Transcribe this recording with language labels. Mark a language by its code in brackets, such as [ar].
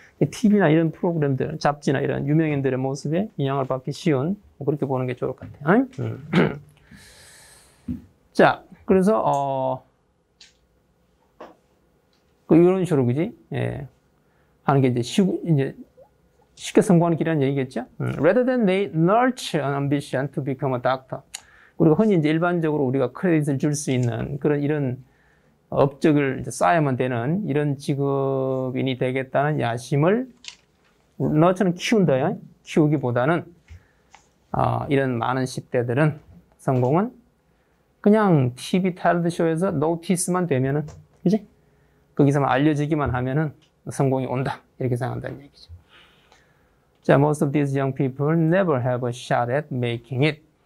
[ko] TV나 이런 프로그램들, 잡지나 이런 유명인들의 모습에 영향을 받기 쉬운, 그렇게 보는 게 좋을 것 같아요. 자, 그래서, 이런 식으로, 그지? 예. 하는 게 이제 쉽게 성공하는 길이라는 얘기겠죠? [en] Rather than they nurture an ambition to become a doctor. [ko] 우리가 흔히 이제 일반적으로 우리가 크레딧을 줄 수 있는 그런 이런 업적을 이제 쌓아야만 되는 이런 직업인이 되겠다는 야심을 너처럼 키운다. 키우기보다는 이런 많은 10대들은 성공은 그냥 TV 탤런트 쇼에서 노티스만 되면은, 그지? 거기서만 알려지기만 하면은 성공이 온다. 이렇게 생각한다는 얘기죠. [en] 자, most of these young people never have a shot at making it.